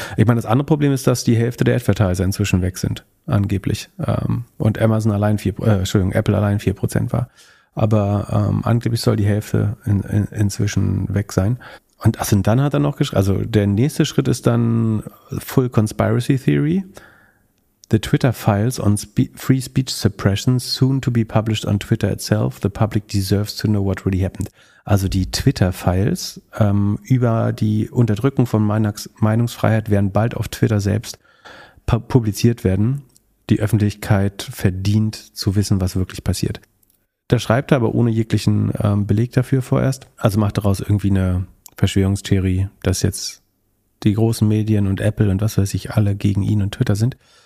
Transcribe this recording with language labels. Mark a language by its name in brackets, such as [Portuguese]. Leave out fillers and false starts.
[German] Ich meine, das andere Problem ist, dass die Hälfte der Advertiser inzwischen weg sind, angeblich. Und Apple allein 4% war. Aber angeblich soll die Hälfte inzwischen weg sein. Und also, dann hat er noch geschrieben, also der nächste Schritt ist dann [English] Full Conspiracy Theory. The Twitter files on free speech suppression soon to be published on Twitter itself. The public deserves to know what really happened. [German] Also die Twitter files über die Unterdrückung von Meinungsfreiheit werden bald auf Twitter selbst publiziert werden. Die Öffentlichkeit verdient zu wissen, was wirklich passiert. Da schreibt er aber ohne jeglichen Beleg dafür vorerst. Also macht daraus irgendwie eine Verschwörungstheorie, dass jetzt die großen Medien und Apple und was weiß ich alle gegen ihn und Twitter sind.